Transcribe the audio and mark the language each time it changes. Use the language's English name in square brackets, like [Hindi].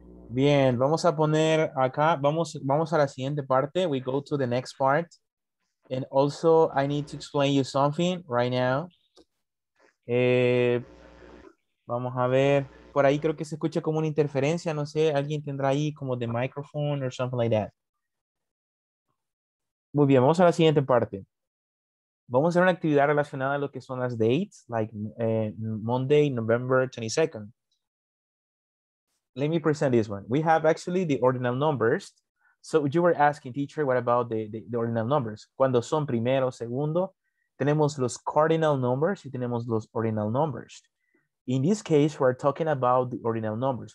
[Spanish] Bien, vamos a poner acá, vamos a la siguiente parte. [English] We go to the next part. And also, I need to explain you something right now. [Spanish] Vamos a ver, por ahí creo que se escucha como una interferencia, no sé, alguien tendrá ahí como [English] the microphone or something like that. [Spanish] Muy bien, vamos a la siguiente parte. Vamos a hacer una actividad relacionada a lo que son las dates, [English] like Monday, November 22nd. Let me present this one. We have actually the ordinal numbers. So you were asking, teacher, what about the ordinal numbers? [Spanish] Cuando son primero, segundo, tenemos los cardinal numbers y tenemos los ordinal numbers. [English] In this case, we're talking about the ordinal numbers.